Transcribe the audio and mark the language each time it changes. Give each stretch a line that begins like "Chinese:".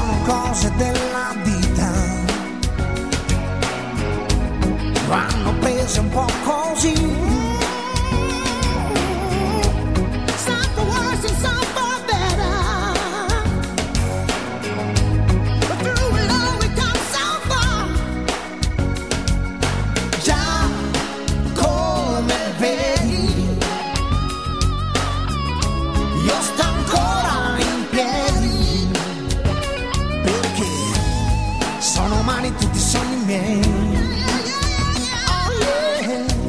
Italian: Cose della vita vanno prese un po' così.
English: Some for worse and some for better, but through it all we come so far.
Italian: Già come vedi, io sto ancora in piedi. Sono umani tutti i sogni miei.
English: Oh yeah.